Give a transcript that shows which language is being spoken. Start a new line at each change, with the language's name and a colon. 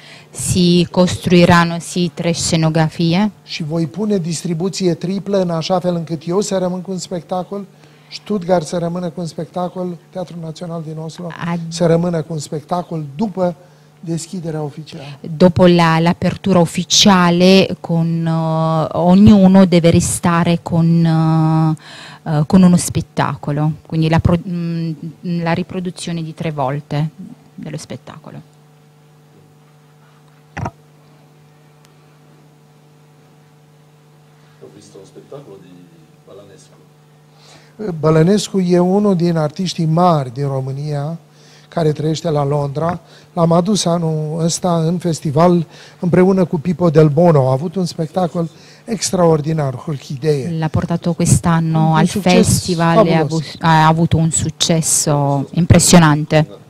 Italian: Si construiranno sì tre scenografie.
Romanian: Și voi pune distribuție triplă în așa fel încât eu să rămân cu un spectacol, Stuttgart să rămână cu un spectacol, Teatrul Național din Oslo să rămână cu un spectacol după deschiderea oficială.
Italian: Dopo l'apertura ufficiale con ognuno deve restare con uno spettacolo, quindi la riproduzione di tre volte dello spettacolo. Ho visto lo spettacolo di Balanescu. Balanescu è uno dei artisti mari di Romania
Romanian: care trăiește la Londra. L-am adus anul ăsta în festival împreună cu Pippo Del Bono. A avut un spectacol extraordinar, Orchidee.
Italian: L-a portato quest'anno al festival e ha avut un successo impresionante.